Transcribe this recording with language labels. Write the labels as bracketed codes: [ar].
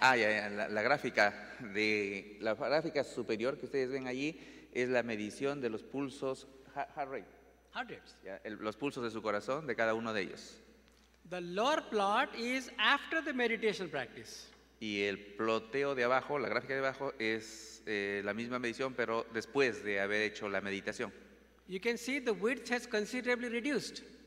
[es] La gráfica de la gráfica superior que ustedes ven allí es la medición de los pulsos [en] heart rates. [es] Los pulsos de su corazón de cada uno de ellos. [en] The lower plot is after the meditation practice. [es] Y el ploteo de abajo, la gráfica de abajo es la misma medición, pero después de haber hecho la meditación. [en] You can see the width has considerably reduced.